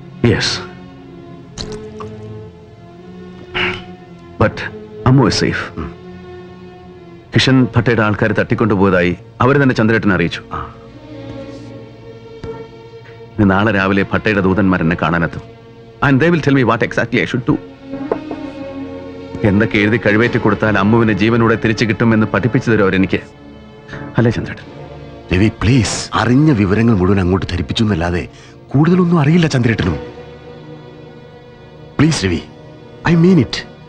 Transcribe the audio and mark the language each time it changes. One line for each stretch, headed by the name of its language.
English: Yes, but Ammu is safe.
Malayalam: Kishan ഭട്ടയുടെ ആൾക്കാരെ തട്ടിക്കൊണ്ടുപോയതായി അവർ തന്നെ ചന്ദ്രേട്ടനെ അറിയിച്ചു. നാളെ രാവിലെ ഭട്ടയുടെ ദൂതന്മാരെ കാണാനെത്തും.
English: And they will tell me what exactly I should do.
Malayalam: എന്തൊക്കെ എഴുതി കഴിവേറ്റി കൊടുത്താൽ അമ്മുവിന് ജീവനോടെ തിരിച്ചു കിട്ടുമെന്ന് പഠിപ്പിച്ചു തരും അവരെനിക്ക്. അല്ലേ ചന്ദ്രേട്ടൻ? രവി പ്ലീസ്, അറിഞ്ഞ വിവരങ്ങൾ മുഴുവൻ അങ്ങോട്ട് ധരിപ്പിച്ചു എന്നല്ലാതെ കൂടുതലൊന്നും അറിയില്ല ചന്ദ്രേട്ടനും.
English: Please Ravi, I mean it.